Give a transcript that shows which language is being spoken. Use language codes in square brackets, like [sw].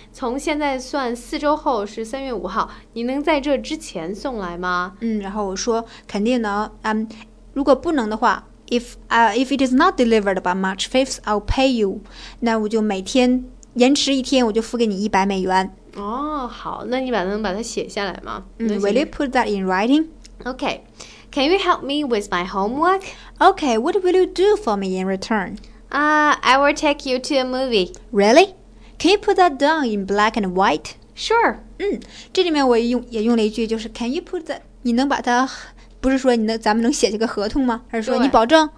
[zh] 从现在算4周后是3月5号，你能在这之前送来吗？然后我说肯定能。如果不能的话 [en] if it is not delivered by March 5th, I'll pay you. [zh] 那我就每天延迟一天，我就付给你$100。哦，好，那你把能把它写下来吗？ [en] Will you put that in writing? Okay. Can you help me with my homework? Okay, what will you do for me in return? I will take you to a movie. Really? Can you put that down in black and white? Sure. [zh] 这里面我也用了一句，就是 [en] can you put that, [zh] 你能把它，不是说咱们能写这个合同吗？而是说你保证？